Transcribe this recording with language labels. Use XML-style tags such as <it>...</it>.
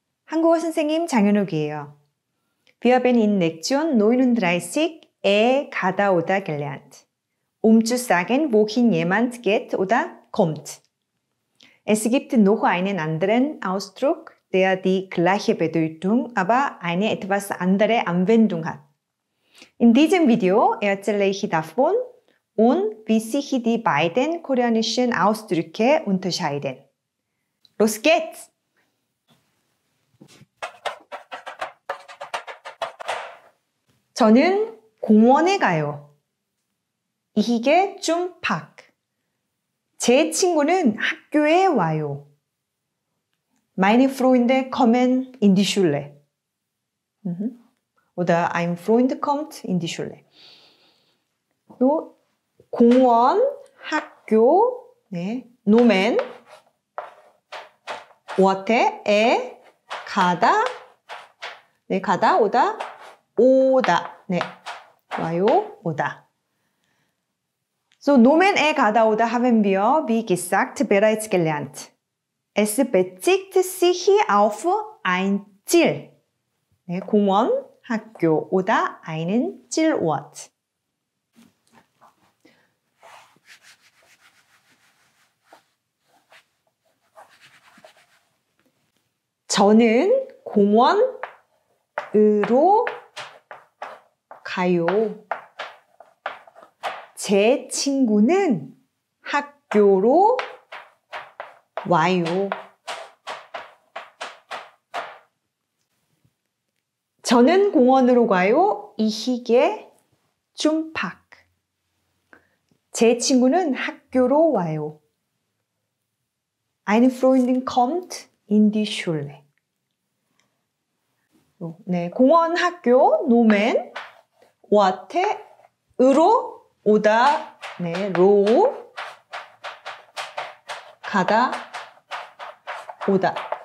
<ko>한국어 선생님 장현욱이에요.</ko> <de>Wir haben in Lektion 39 에 가다 오다 gelernt. Um zu sagen, wohin jemand geht oder kommt. Es gibt noch einen anderen Ausdruck, der die gleiche Bedeutung, aber eine etwas andere Anwendung hat. In diesem Video erzähle ich davon und wie sich die beiden koreanischen Ausdrücke unterscheiden. Los geht's!</de> <ko>저는 공원에 가요.</ko> <de>Ich gehe zum Park.</de> <ko>제 친구는 학교에 와요.</ko> <de>Meine Freunde kommen in die Schule. Oder ein Freund kommt in die Schule.</de> <ko>공원, 학교, 네, 노멘, 워테, 에, 가다, 네, 가다, 오다, 오다. 네, 와요, 오다.</ko> <de>So, 노멘에 가다 오다 haben wir, wie gesagt, bereits gelernt. Es bezieht sich auf ein Ziel.</de> <ko>네, 공원, 학교, 오다,</ko> <de>einen Zielort.</de> <ko>저는 공원으로 가요. 제 친구는 학교로 와요. 저는 공원으로 가요.</ko> <de>Ich gehe zum Park.</de> <ko>제 친구는 학교로 와요.</ko> <de>Eine Freundin kommt in die Schule.</de> <ko>네, 공원, 학교, 노멘. 와테으로 오다, 네, 로 가다 오다.</ko>